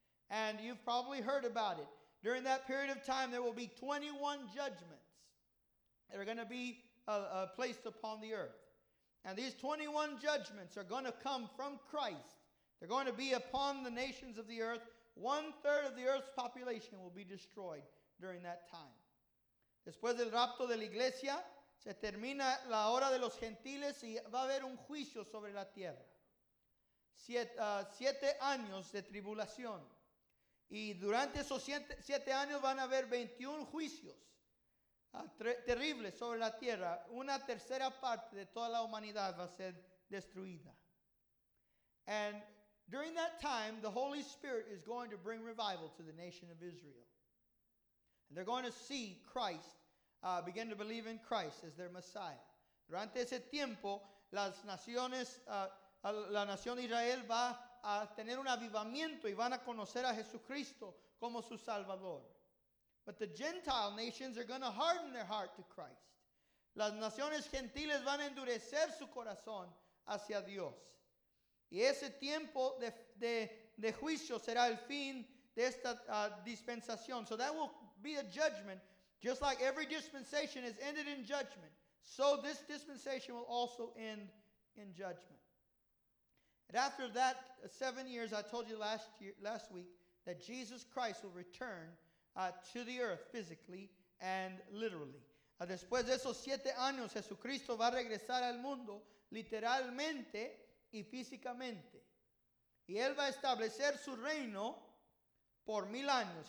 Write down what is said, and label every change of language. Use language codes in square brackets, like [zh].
[en] And you've probably heard about it. During that period of time, there will be 21 judgments that are going to be placed upon the earth. And these 21 judgments are going to come from Christ. They're going to be upon the nations of the earth, 1/3 of the earth's population will be destroyed during that time. [es] Después del rapto de la iglesia, se termina la hora de los gentiles y va a haber un juicio sobre la tierra. Siete años de tribulación. Y durante esos siete años van a haber 21 juicios terribles sobre la tierra. Una tercera parte de toda la humanidad va a ser destruida. [en] And during that time, the Holy Spirit is going to bring revival to the nation of Israel. And they're going to see Christ, begin to believe in Christ as their Messiah. [es] Durante ese tiempo, las naciones, la nación de Israel va a tener un avivamiento y van a conocer a Jesucristo como su Salvador. [en] But the Gentile nations are going to harden their heart to Christ. [es] Las naciones gentiles van a endurecer su corazón hacia Dios. Y ese tiempo de juicio será el fin de esta dispensación. [en] So that will be a judgment. Just like every dispensation is ended in judgment, so this dispensation will also end in judgment. And after that 7 years, I told you last week, that Jesus Christ will return to the earth physically and literally. [es] Después de esos siete años, Jesucristo va a regresar al mundo literalmente y físicamente. Y él va a establecer su reino por mil años.